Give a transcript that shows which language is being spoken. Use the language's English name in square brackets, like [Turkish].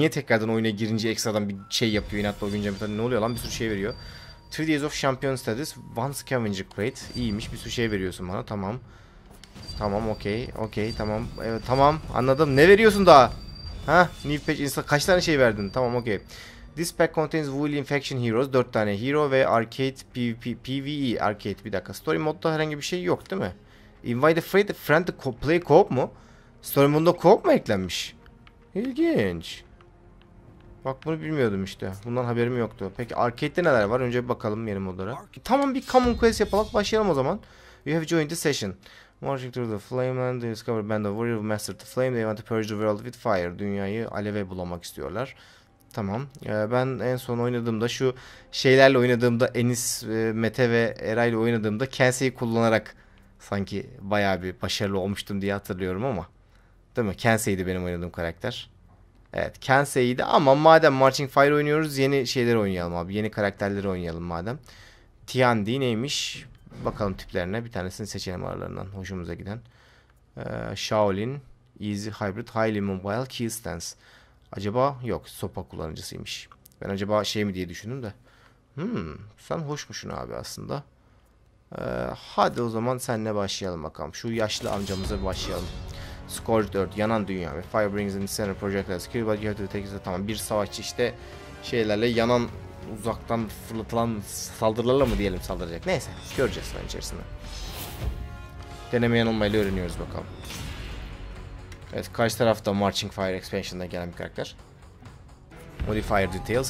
[Turkish] Niye tekrardan oyuna girince ekstradan bir şey yapıyor, inatla o güncelleme ne oluyor lan, bir sürü şey veriyor. [English] 3 Days of Champion Status, One Scavenger Crate. [Turkish] İyiymiş, bir sürü şey veriyorsun bana, tamam. Tamam, okey. Okey, tamam. Evet, tamam. Anladım. Ne veriyorsun daha? Ha, New Patch Insta kaç tane şey verdin? Tamam, okey. [English] This pack contains Wooly Infection Heroes. [Turkish] 4 tane hero ve arcade PvE. Arcade, bir dakika. Story modda herhangi bir şey yok, değil mi? [English] Invite a friend, to play co-op [Turkish] mu? Story modunda co-op mu eklenmiş? İlginç. Bak bunu bilmiyordum işte. Bundan haberim yoktu. Peki arcade'de neler var? Önce bir bakalım yeni modlara. Tamam, bir common quest yapalım. Başlayalım o zaman. [English] You have joined the session. Marching through the Flameland, they discover a band of warriors who mastered the flame. They want to purge the world with fire. [Turkish] Dünyayı aleve bulamak istiyorlar. Tamam. Ben en son oynadığımda şu şeylerle oynadığımda Enis, Mete ve Eray ile oynadığımda Kense'yi kullanarak sanki bayağı bir başarılı olmuştum diye hatırlıyorum ama. Değil mi? Kense'ydi benim oynadığım karakter. Evet, Kense'ydi ama madem Marching Fire oynuyoruz yeni şeyleri oynayalım abi. Yeni karakterleri oynayalım madem. Tiandi neymiş? Bakalım tiplerine, bir tanesini seçelim aralarından hoşumuza giden. Shaolin, Easy Hybrid, Highly Mobile, Key Stance. Acaba yok, sopa kullanıcısıymış. Ben acaba şey mi diye düşündüm de. Sen hoşmuşsun abi aslında. Hadi o zaman senle başlayalım bakalım. Şu yaşlı amcamıza başlayalım. Scourge 4, yanan dünya. [English] Fire brings in the center project as kill, but you have to take it. [Turkish] Tamam, bir savaşçı işte şeylerle yanan uzaktan fırlatılan saldırılarla mı diyelim saldıracak. Neyse göreceğiz sonra içerisinde. Deneme yanılmayla öğreniyoruz bakalım. Evet, karşı tarafta Marching Fire Expansion'da gelen bir karakter. Modifier Details.